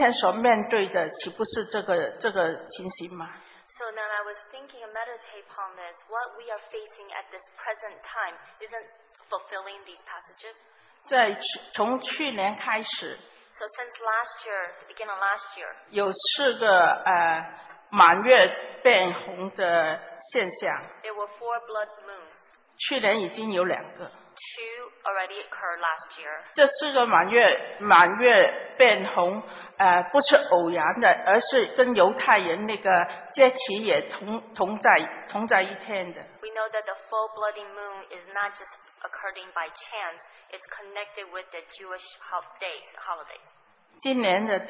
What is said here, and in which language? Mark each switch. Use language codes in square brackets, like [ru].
[zh] 所以我在这里思想的时候，我就心想，在这个末世，我们今天所面对的岂不是这个情形吗？ [en] So then I was thinking and meditate upon this. What we are facing at this present time isn't fulfilling these passages. [zh] 从去年开始。 [en] So since last year, the beginning of last year, [zh] 有四个, 满月变红的现象, [en] there were four blood moons. [zh] 去年已经有两个, [en] two already occurred last year. [zh] 这四个满月变红, 不是偶然的, 而是跟犹太人那个节期也同在一天的。 [en] We know that the full bloody moon is not just occurring by chance, it's connected with the Jewish holidays.